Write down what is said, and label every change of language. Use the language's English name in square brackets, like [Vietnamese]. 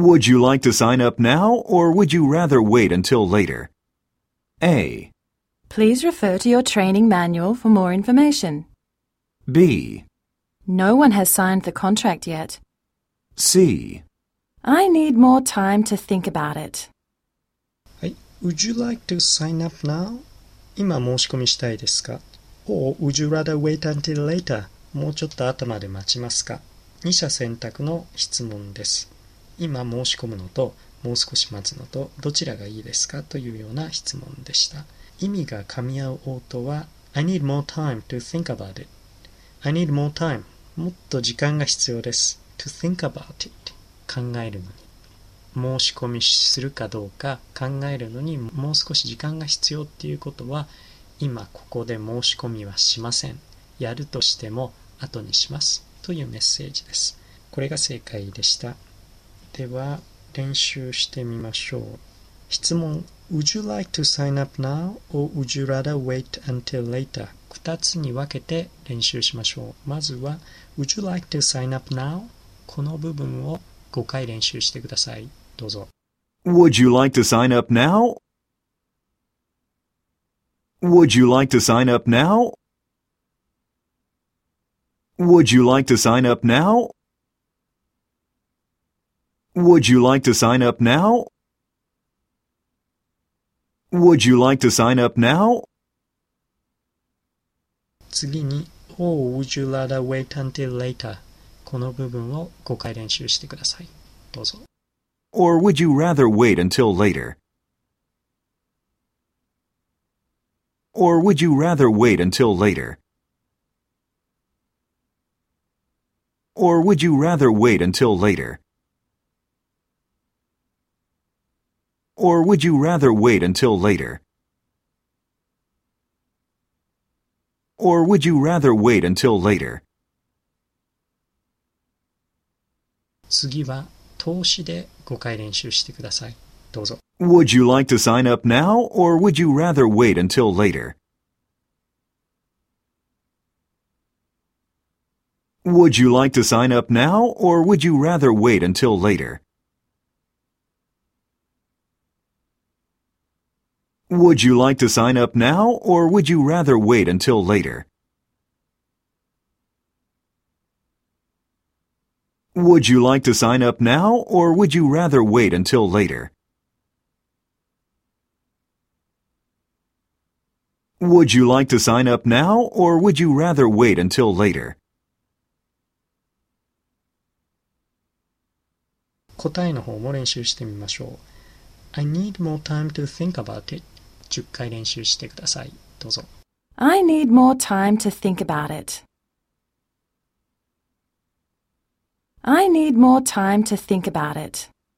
[English] Would you like to sign up now, or would you rather wait until later? A. Please refer to your training manual for more information. B. No one has signed the contract yet. C. I need more time to think about it. Would you like to sign up now? [Japanese] 今申し込みしたいですか? [English] Or would you rather wait until later? [Japanese] もうちょっと後まで待ちますか?二者選択の質問です。今申し込むのと、もう少し待つのと、どちらがいいですかというような質問でした。意味が噛み合う応答は、 [English] I need more time to think about it. I need more time. [Japanese] もっと時間が必要です。 [English] to think about it. [Japanese] 考えるのに。申し込みするかどうか考えるのに、もう少し時間が必要っていうことは、今ここで申し込みはしません。やるとしても後にします。というメッセージです。これが正解でした。では練習してみましょう。質問 [English] Would you like to sign up now or would you rather wait until later? [Japanese] 2つに分けて練習しましょう。まずは [English] Would you like to sign up now? [Japanese] この部分を5回練習してください。どうぞ。 [English] Would you like to sign up now? Would you like to sign up now? Would you like to sign up now? Would you like to sign up now? Would you like to sign up now? [Japanese] 次に、 [English] Oh, would you rather wait until later? [Japanese] この部分を5回練習してください。どうぞ。 [English] Or would you rather wait until later? Or would you rather wait until later? Or would you rather wait until later? Or would you rather wait until later? Or would you rather wait until later? [Japanese] 次は投資で5回練習してください。どうぞ。 [English] Would you like to sign up now or would you rather wait until later? Would you like to sign up now or would you rather wait until later? Would you like to sign up now, or would you rather wait until later? Would you like to sign up now, or would you rather wait until later? Would you like to sign up now, or would you rather wait until later? [Japanese] 答えの方も練習してみましょう。 [English] I need more time to think about it. [Japanese] 10回練習してください。どうぞ。 [English] I need more time to think about it. I need more time to think about it.